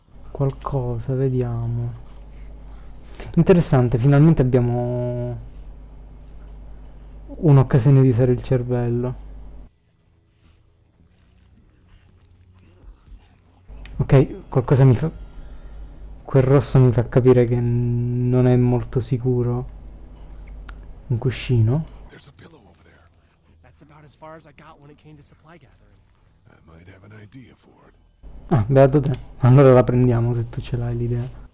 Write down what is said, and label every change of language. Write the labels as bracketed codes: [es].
[it] qualcosa, vediamo. Interessante, finalmente abbiamo un'occasione di usare il cervello. Ok, qualcosa mi fa... quel rosso mi fa capire che non è molto sicuro. Un cuscino. [en] There's a pillow over there. That's about as far as I got when it came to supply gathering. I might have an idea for it. [it] Ah, beato te. Allora la prendiamo se tu ce l'hai l'idea.